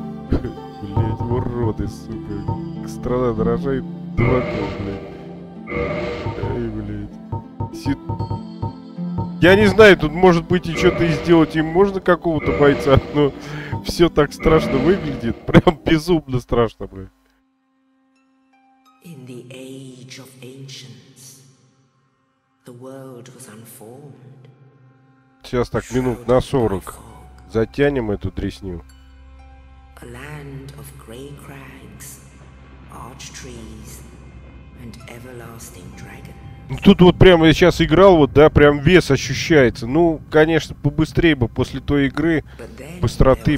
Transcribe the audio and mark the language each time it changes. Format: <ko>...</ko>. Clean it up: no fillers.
<ru>Блядь, уроды, сука. Страна дорожает. Дураков, блядь. Эй, блядь. Я не знаю, тут может быть и что-то и сделать им можно какого-то бойца, но все так страшно выглядит. Прям безумно страшно, блядь.</ru> <en>In the age of ancients, the world was unformed.</en> <ru>Сейчас так минут на 40 затянем эту дресню.</ru> <en>A land of grey crags, arch trees, and everlasting dragons.</en> <ru>Тут вот прямо я сейчас играл, вот да, прям вес ощущается. Ну, конечно, побыстрее бы после той игры быстроты.</ru>